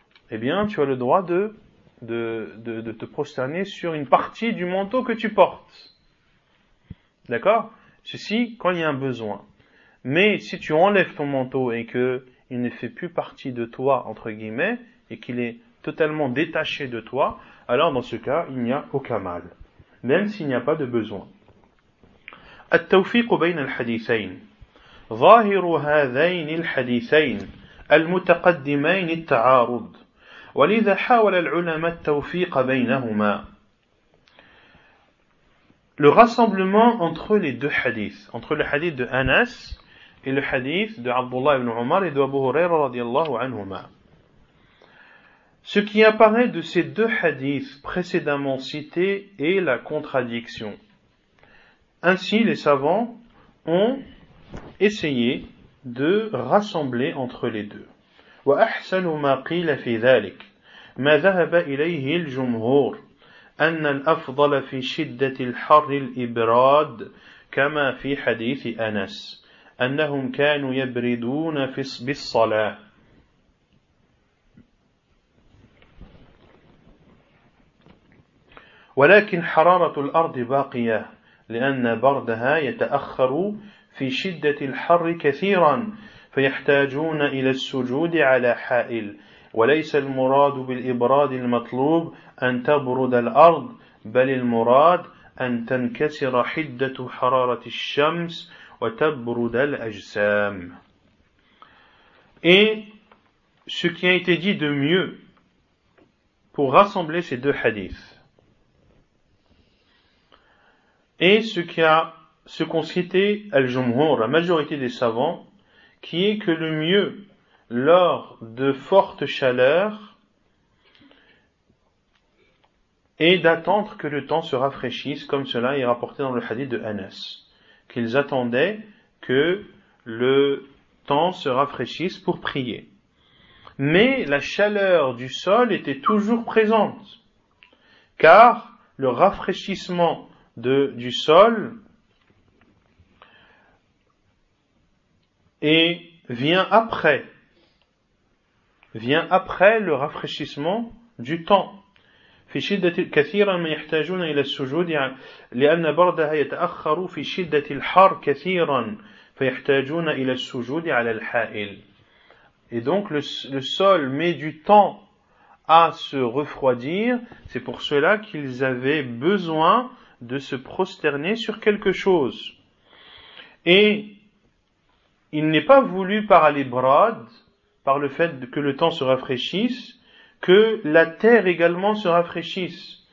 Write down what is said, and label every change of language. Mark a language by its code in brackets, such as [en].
[fr] Eh bien, tu as le droit de te prosterner sur une partie du manteau que tu portes. D'accord ? Ceci quand il y a un besoin. Mais si tu enlèves ton manteau et qu'il ne fait plus partie de toi, entre guillemets, et qu'il est totalement détaché de toi, alors dans ce cas, il n'y a aucun mal. Même s'il n'y a pas de besoin. [ar] التوفيق بين الحديثين ظاهر هذين الحديثين المتقدمين التعارض ولذا حاول العلماء التوفيق بينهما. [fr] Le rassemblement entre les deux hadiths, entre le hadith de Anas et le hadith de Abdullah ibn Umar et de Abu Huraira [ar] radiallahu anhuma. [fr] Ce qui apparaît de ces deux hadiths précédemment cités est la contradiction. Ainsi, les savants ont essayé de rassembler entre les deux. [ar] Wa ahsanu ma qila fi dhalik ma dhahaba ilayhi al-jumhur أن الأفضل في شدة الحر الإبراد كما في حديث أنس أنهم كانوا يبردون في الصلاة. ولكن حرارة الأرض باقية لأن بردها يتأخر في شدة الحر كثيرا فيحتاجون إلى السجود على حائل وليس المراد بالإبراد المطلوب أن تبرد الأرض بل المراد أن تنكسر حدة حرارة الشمس وتبرد الأجسام. [fr] Et ce qui a été dit de mieux pour rassembler ces deux hadiths et ce qu'ont cité al-jumhur, la majorité des savants, qui est que le mieux lors de fortes chaleurs et d'attendre que le temps se rafraîchisse, comme cela est rapporté dans le hadith de Anas, qu'ils attendaient que le temps se rafraîchisse pour prier. Mais la chaleur du sol était toujours présente, car le rafraîchissement du sol vient après le rafraîchissement du temps. [ar] في شدة كثيرا ما يحتاجون إلى السجود لأن بردها يتأخر في شدة الحر كثيرا فيحتاجون إلى السجود على الحائل. [fr] Et donc le sol met du temps à se refroidir, c'est pour cela qu'ils avaient besoin de se prosterner sur quelque chose. Et il n'est pas voulu par les brades, par le fait que le temps se rafraîchisse, que la terre également se rafraîchisse.